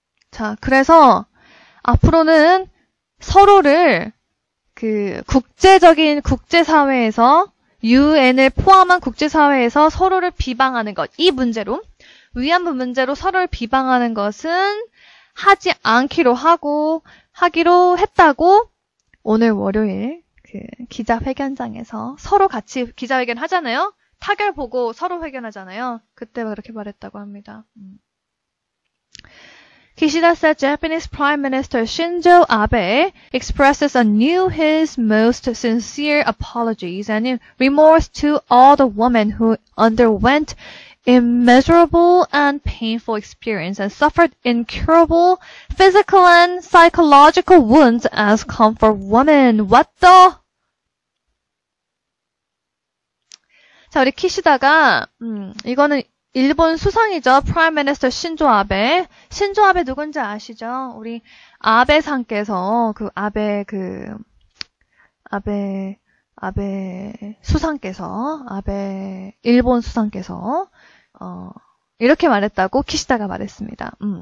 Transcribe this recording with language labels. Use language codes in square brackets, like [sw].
[ko] 자, 그래서 앞으로는 서로를 국제적인 국제사회에서, UN을 포함한 국제사회에서 서로를 비방하는 것, 이 문제로, 위안부 문제로 서로를 비방하는 것은 하지 않기로 하기로 했다고 오늘 월요일 기자회견장에서 서로 같이 기자회견 하잖아요? 타결 보고 서로 회견하잖아요? 그때 그렇게 말했다고 합니다. [en] Kishida said Japanese Prime Minister Shinzo Abe expresses anew his most sincere apologies and remorse to all the women who underwent immeasurable and painful experience and suffered incurable physical and psychological wounds as comfort women. What the? [ko] 자, 우리 키시다가, 이거는 일본 수상이죠. [en] Prime Minister [ko] 신조 아베. 신조 아베 누군지 아시죠? 우리 아베 상께서, 아베 수상께서, 아베 일본 수상께서, 이렇게 말했다고 키시다가 말했습니다.